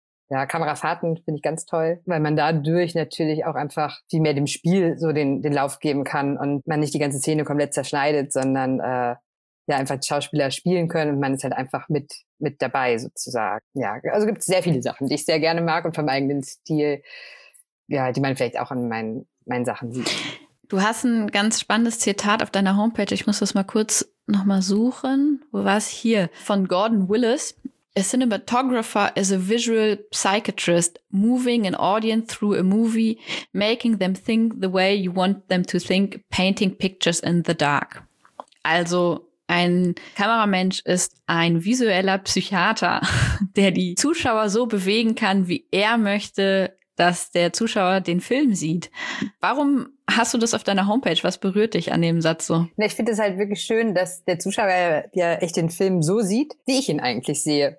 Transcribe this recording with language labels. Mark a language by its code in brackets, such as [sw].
[de] Ja, Kamerafahrten finde ich ganz toll, weil man dadurch natürlich auch einfach viel mehr dem Spiel so den Lauf geben kann und man nicht die ganze Szene komplett zerschneidet, sondern einfach die Schauspieler spielen können und man ist halt einfach mit dabei sozusagen. Ja, also gibt es sehr viele Sachen, die ich sehr gerne mag und vom eigenen Stil, ja, die man vielleicht auch an meinen Sachen sieht. Du hast ein ganz spannendes Zitat auf deiner Homepage. Ich muss das mal kurz nochmal suchen. Wo war es? Hier. Von Gordon Willis. [en] A cinematographer is a visual psychiatrist moving an audience through a movie, making them think the way you want them to think, painting pictures in the dark. [de] Also ein Kameramensch ist ein visueller Psychiater, der die Zuschauer so bewegen kann, wie er möchte, dass der Zuschauer den Film sieht. Warum hast du das auf deiner Homepage? Was berührt dich an dem Satz so? Na, ich finde es halt wirklich schön, dass der Zuschauer ja echt den Film so sieht, wie ich ihn eigentlich sehe.